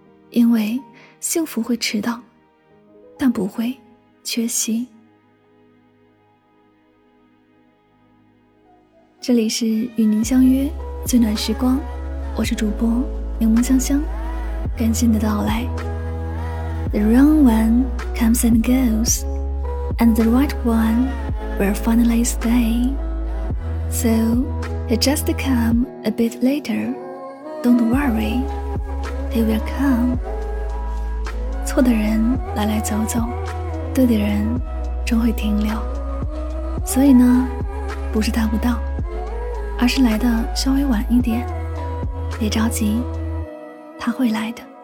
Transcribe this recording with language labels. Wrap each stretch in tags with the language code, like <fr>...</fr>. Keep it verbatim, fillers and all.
<zh>因为幸福会迟到，但不会缺席。这里是与您相约最暖时光，我是主播柠檬香香，感谢你的到来。</zh> <en>The wrong one comes and goes, and the right one will finally stay. So they just come a bit later. Don't worry, they will come.</en> <zh>错的人来来走走，对的人终会停留。所以呢，不是达不到，而是来的稍微晚一点。别着急，他会来的。</zh>